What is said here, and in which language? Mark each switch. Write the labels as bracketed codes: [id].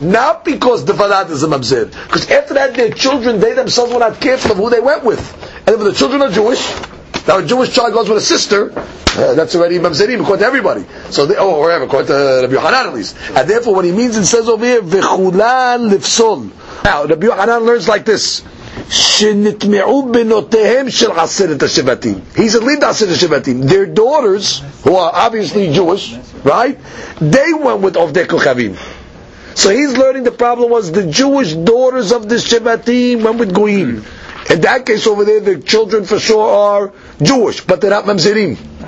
[en] Not because the valad is a mamzer. Because after that, their children, they themselves were not careful of who they went with. And if the children are Jewish, now a Jewish child goes with a sister, that's already mamzerim according to everybody. So they, or whatever, according to Rabbi Yochanan at least. And therefore what he means and says over here, [he] v'chulan lifsol. [en] Now Rabbi Yochanan learns like this. [he] שנתמעו בנותיהם של עשרת השבטים. [en] He's at least עשרת השבטים. Their daughters, who are obviously Jewish, right? They went with עובדי כוכבים. So he's learning the problem was the Jewish daughters of the שבטים went with goyim. In that case over there, the children for sure are Jewish, but they're not ממזרים.